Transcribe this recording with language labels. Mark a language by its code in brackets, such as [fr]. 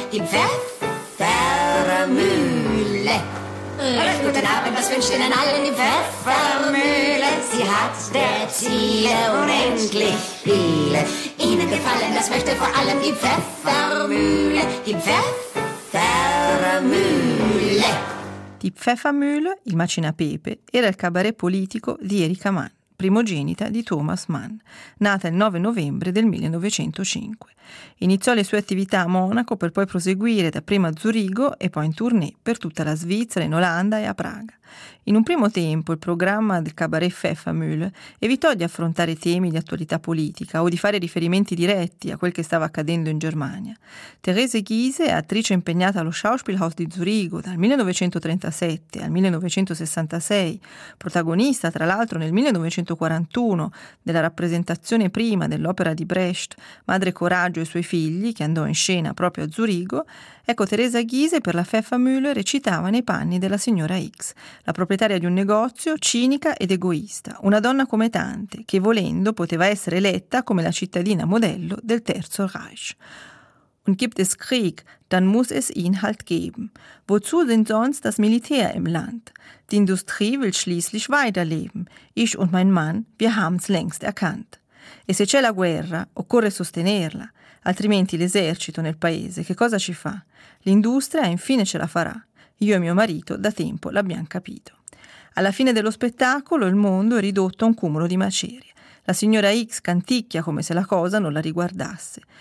[de] Die Pfeffermühle. Recht guten Abend, das wünscht Ihnen allen die Pfeffermühle. Sie hat der Ziele unendlich viele. Ihnen gefallen, das möchte vor allem die Pfeffermühle. Die Pfeffermühle. [it] Die Pfeffermühle, il macinapepe, era il cabaret politico di Erika Mann, primogenita di Thomas Mann, nata il 9 novembre del 1905. Iniziò le sue attività a Monaco per poi proseguire dapprima a Zurigo e poi in tournée per tutta la Svizzera, in Olanda e a Praga. In un primo tempo il programma del cabaret Pfeffermühle evitò di affrontare temi di attualità politica o di fare riferimenti diretti a quel che stava accadendo in Germania. Therese Giese, attrice impegnata allo Schauspielhaus di Zurigo dal 1937 al 1966, protagonista tra l'altro nel 1941 della rappresentazione prima dell'opera di Brecht, Madre Coraggio e suoi figli, che andò in scena proprio a Zurigo, ecco, Therese Giese per la Pfeffermühle recitava nei panni della signora X, la proprietaria di un negozio, cinica ed egoista, una donna come tante, che volendo poteva essere eletta come la cittadina modello del Terzo Reich. [de] Und gibt es Krieg, dann muss es ihn halt geben. Wozu denn sonst das Militär im Land? Die Industrie will schließlich weiterleben. Ich und mein Mann, wir haben's längst erkannt. [it] E se c'è la guerra, occorre sostenerla, altrimenti l'esercito nel paese che cosa ci fa? L'industria infine ce la farà. Io e mio marito da tempo l'abbiamo capito. Alla fine dello spettacolo il mondo è ridotto a un cumulo di macerie. La signora X canticchia come se la cosa non la riguardasse.